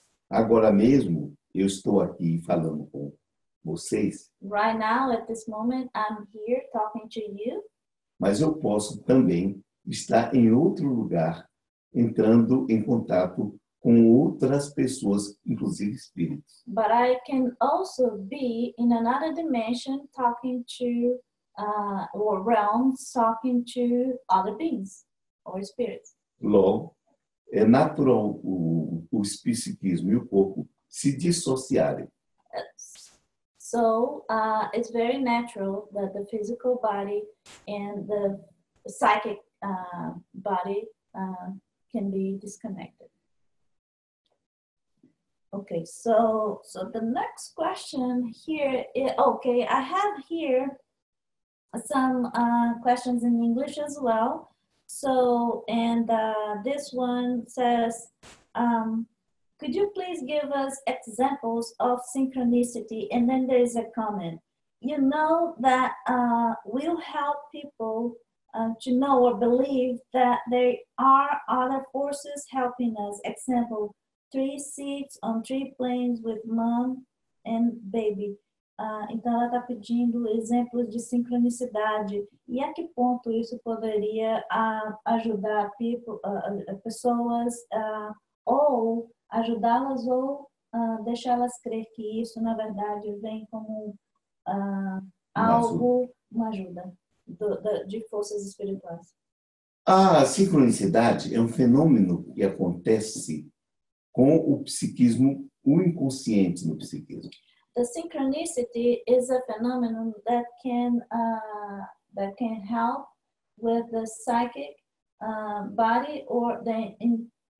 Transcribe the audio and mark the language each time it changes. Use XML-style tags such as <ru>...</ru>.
<pt>Agora mesmo, eu estou aqui falando com vocês.</pt> <en>Right now, at this moment, I'm here talking to you.</en> <pt>Mas eu posso também estar em outro lugar, entrando em contato com outras pessoas, inclusive espíritos.</pt> <en>But I can also be in another dimension talking to or realms talking to other beings or spirits.</en> <pt>Logo, é natural o psiquismo e o corpo se dissociarem.</pt> <en>So, it's very natural that the physical body and the psychic body can be disconnected. Okay, so the next question here is, okay, I have here some questions in English as well. So, and this one says, could you please give us examples of synchronicity? And then there is a comment. You know that will help people to know or believe that there are other forces helping us. Example, 3 seats on 3 planes with mom and baby.</en> <pt>Então, ela está pedindo exemplos de sincronicidade. E a que ponto isso poderia ajudar pessoas ou ajudá-las ou deixá-las crer que isso, na verdade, vem como algo, uma ajuda de forças espirituais? A sincronicidade é um fenômeno que acontece com o psiquismo, o inconsciente no psiquismo.</pt> <en>The synchronicity is a phenomenon that can help with the psychic body or the in,</en>